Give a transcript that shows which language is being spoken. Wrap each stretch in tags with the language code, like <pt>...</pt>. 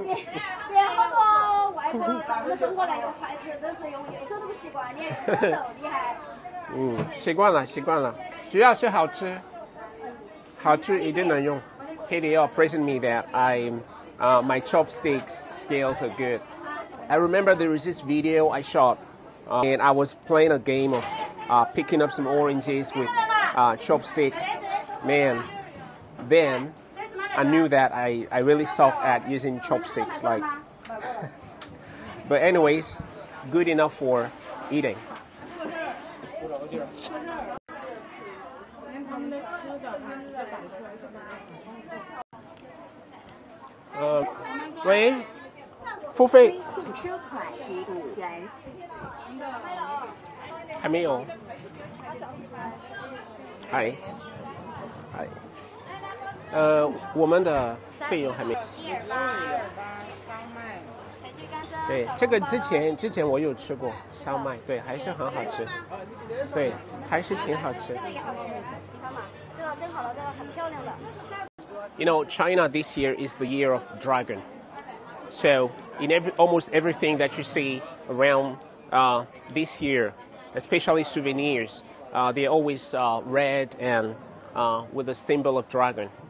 <zh>你别好多外国人，我们中国人用筷子真是用右手都不习惯，你还用左手，厉害。嗯，习惯了，习惯了，主要是好吃，好吃一定能用。</zh> <en>Katie, you're praising me that my chopsticks skills are good. I remember there was this video I shot, and I was playing a game of picking up some oranges with chopsticks. Man, then. I knew that I really suck at using chopsticks, like. But anyways, good enough for eating. Wait, Fu Fei.</en> <zh>还没有。</zh> <en>Hi.</en> <zh>Hi. 我们的费用还没。对，这个之前我有吃过烧麦，对，还是很好吃，对，还是挺好吃。这个也好吃，你看嘛，这个蒸好了，这个很漂亮的。</zh> <en>You know, China this year is the year of dragon. So in almost everything that you see around this year, especially souvenirs, they're always red and with a symbol of dragon.</en>